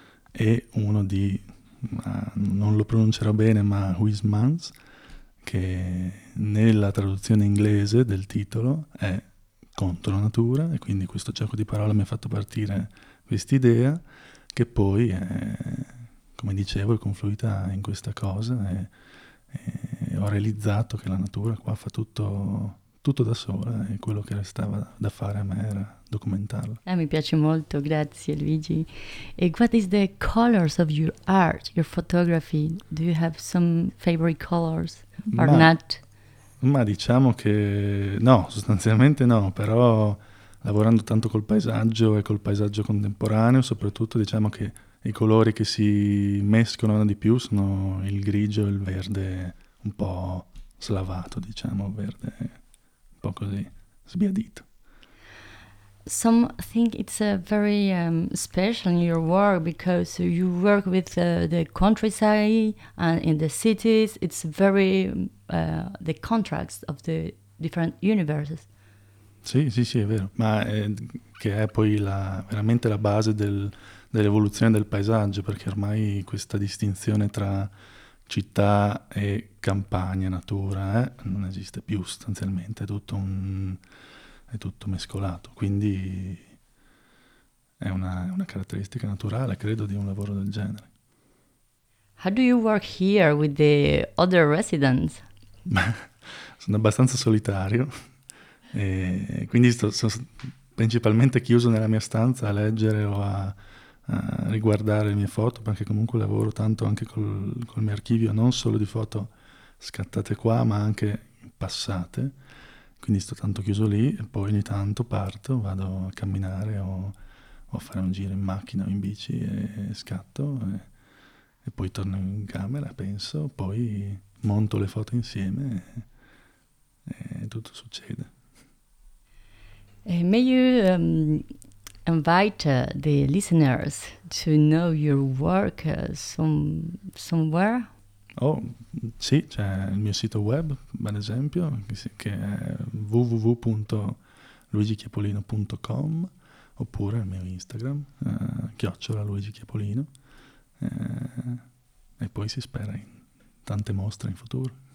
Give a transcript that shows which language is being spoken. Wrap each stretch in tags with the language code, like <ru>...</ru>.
<it>e uno di, non lo pronuncerò bene, ma Huismans, che nella traduzione inglese del titolo è Contro Natura, e quindi questo gioco di parole mi ha fatto partire quest'idea che poi, come dicevo, è confluita in questa cosa e ho realizzato che la natura qua fa tutto da sola e quello che restava da fare a me era documentarlo. Mi piace molto, grazie Luigi.</it> <en>And what is the colors of your art, your photography? Do you have some favorite colors or not?</en> <it>Ma diciamo che no, sostanzialmente no, però... Lavorando tanto col paesaggio e col paesaggio contemporaneo, soprattutto diciamo che i colori che si mescolano di più sono il grigio e il verde un po' slavato, diciamo, verde, un po' così, sbiadito.</it> <en>Some think it's a very special in your work because you work with the countryside and in the cities. It's very the contrast of the different universes.</en> <it>Sì, sì, sì, è vero. Ma che è poi la veramente la base dell'evoluzione del paesaggio, perché ormai questa distinzione tra città e campagna, natura, non esiste più sostanzialmente. È tutto mescolato, quindi è una caratteristica naturale, credo, di un lavoro del genere.</it> <en>How do you work here with the other residents?</en> <it>Sono abbastanza solitario, e quindi sono principalmente chiuso nella mia stanza a leggere o a riguardare le mie foto, perché comunque lavoro tanto anche col mio archivio, non solo di foto scattate qua, ma anche passate. Quindi sto tanto chiuso lì e poi ogni tanto parto, vado a camminare o a fare un giro in macchina o in bici e scatto e poi torno in camera, penso, poi monto le foto insieme e tutto succede.</it> <en>May you invite the listeners to know your work somewhere?</en> <it>Oh, sì, c'è il mio sito web, per esempio, che è www.luigichiapolino.com, oppure il mio Instagram, @luigichiapolino, e poi si spera in tante mostre in futuro.</it>